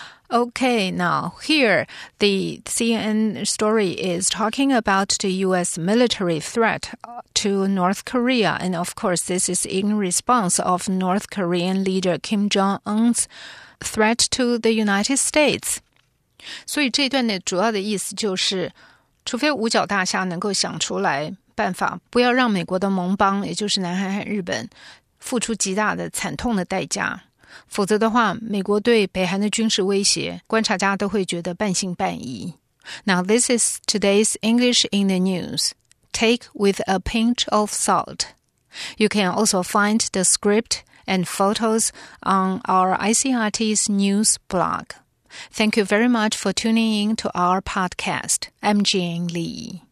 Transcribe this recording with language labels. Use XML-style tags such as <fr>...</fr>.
<en>Okay, now here, the CNN story is talking about the U.S. military threat to North Korea. And of course, this is in response of North Korean leader Kim Jong-un's threat to the United States.</en> <zh>所以这段的主要的意思就是，除非五角大厦能够想出来办法，不要让美国的盟邦，也就是南韩和日本，付出极大的惨痛的代价。否则的话，美国对北韩的军事威胁，观察家都会觉得半信半疑。</zh> <en>Now, this is today's English in the news. Take with a pinch of salt. You can also find the script and photos on our ICRT's news blog. Thank you very much for tuning in to our podcast. I'm Jian Lee.</en>